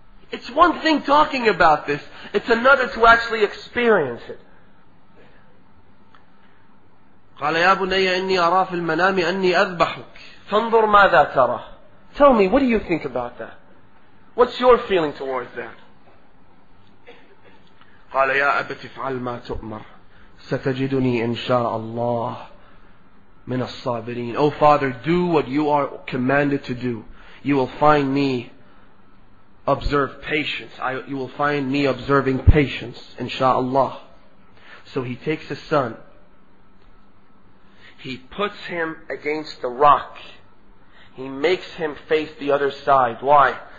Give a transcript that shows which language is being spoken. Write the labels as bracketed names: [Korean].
[English] It's one thing talking about this. It's another to actually experience it. [Arabic] قَالَ يَا بُنَيَّ إِنِّي أَرَى فِي الْمَنَامِ أَنِّي أَذْبَحُكَ فَانْظُرْ مَاذَا تَرَى. [English] Tell me, what do you think about that? What's your feeling towards that? [Arabic] قال يا أبت افعل ما تؤمر ستجدني إن شاء الله من الصابرين. [English] Oh father, do what you are commanded to do. You will find me observe patience. You will find me observing patience, inshallah. So he takes his son. He puts him against the rock. He makes him face the other side. Why?